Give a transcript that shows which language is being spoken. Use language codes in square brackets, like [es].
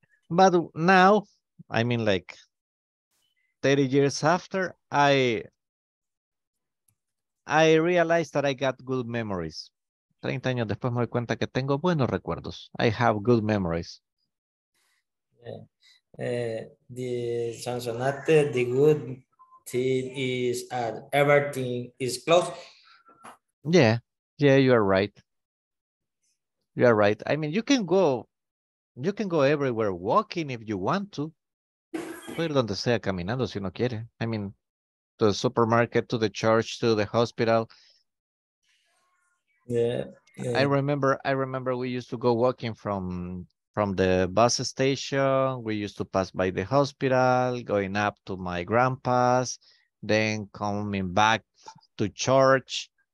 [en] But now, I mean, like 30 years after, I realized that I got good memories. [es] 30 años después me doy cuenta que tengo buenos recuerdos. [en] I have good memories. The Sonsonate, the good thing is that everything is closed. Yeah, you are right. I mean, you can go everywhere walking if you want to. [es] Puede ir donde sea caminando si uno quiere. [en] I mean, to the supermarket, to the church, to the hospital. Yeah. I remember we used to go walking from the bus station. We used to pass by the hospital, going up to my grandpa's, then coming back to church.